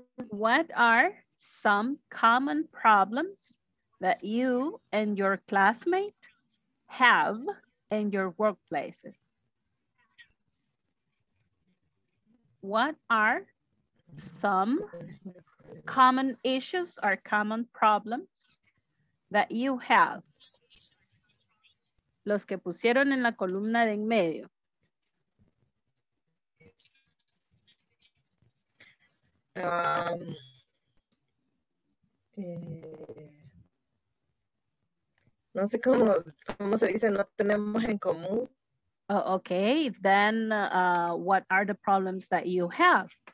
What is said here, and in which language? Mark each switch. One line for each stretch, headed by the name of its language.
English: What are some common problems that you and your classmate have in your workplaces? What are some common issues or common problems that you have?
Spanish: Los que pusieron en la columna de en medio. No sé cómo se dice, no tenemos en común.
English: Oh, okay, then what are the problems that you have?